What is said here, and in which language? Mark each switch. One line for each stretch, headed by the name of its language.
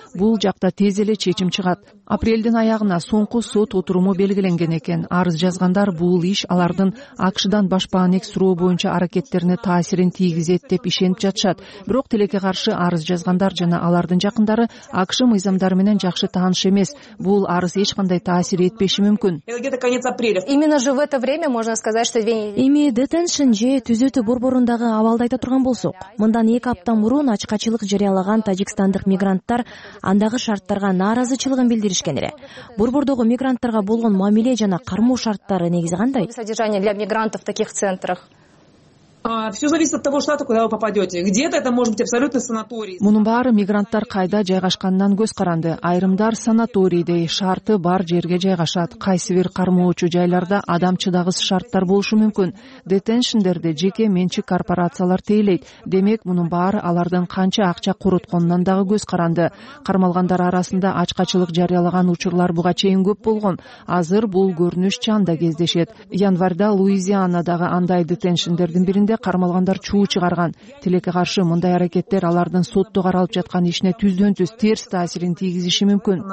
Kyrgyz: Бул жакта тез эле чечим чыгат. Апрелдин аягына соңку сот отуруму белгиленген экен. Арыз жазгандар бул иш алардын АКШдан башпаанек суроо боюнча аракеттерине таасирин тийгизет деп ишенип жатышат. Бирок тилекке каршы арыз жазгандар жана алардын жакындары АКШ мыйзамдары менен жакшы тааныш эмес. Бул арыз эч кандай таасир этпеши мүмкүн.
Russian: Именно же в это время можно сказать, что
Kyrgyz: эми детеншн же түзөтүү борборундагы абалды айта турган болсок, мындан 2 апта мурун ачкачылык жарыялаган тажикстандык мигранттар андагы шарттарга нааразычылыгын билдиришкен эле. Борбордогу мигранттарга болгон мамиле жана кармоо шарттары негизи кандай?
Russian: Содержание для мигрантов в таких центрах. Все зависит от того штата, куда вы попадете. Где-то это может быть абсолютно санаторий.
Kyrgyz: Мунун баары мигранттар кайда жайгашканынан көз каранды. Айрымдар санаторийде шарты бар жерге жайгашат. Кайсы бир кармоочу жайларда адам чыдагыз шарттар болушу мүмкүн. Детеншндерди жеке менчик корпорациялар тейлейт. Демек, мунун баары алардын канча акча корутконунан дагы көз каранды. Кармалгандар арасында ачкачылык жарыялаган учурлар буга чейин көп болгон. Азыр бул көрүнүш чанда кездешет. Январда Луизианадагы андай детеншндердин бири кармалгандар чуу чыгарган. Тилекке каршы мындай аракеттер алардын сотто каралып жаткан ишине түздөн түз терс таасирин тийгизиши мүмкүн.